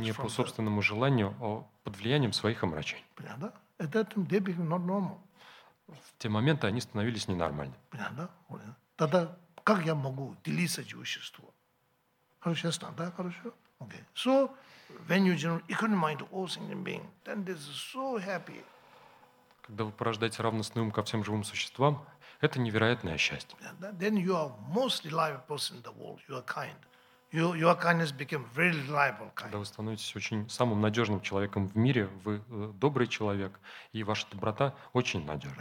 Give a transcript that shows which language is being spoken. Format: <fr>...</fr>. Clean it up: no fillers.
<ru>не по собственному желанию, а под влиянием своих омрачений. Понятно, да?</ru> <en>At that time they became not normal.</en> <ru>В те моменты они становились ненормальными. Понятно, да? Тогда как я могу делиться этим существом? Хорошо, ясно, да, хорошо. Okay.</ru> <en>So, when you generate equanimity to all sentient beings, then this is so happy.</en> <ru>Когда вы порождаете равностный ум ко всем живым существам, это невероятное счастье.</ru> <en>Yeah, then you are most reliable person in the world. You are kind. Your kindness became very reliable kind.</en> <ru>Когда вы становитесь очень самым надежным человеком в мире, вы добрый человек, и ваша доброта очень надежна.</ru>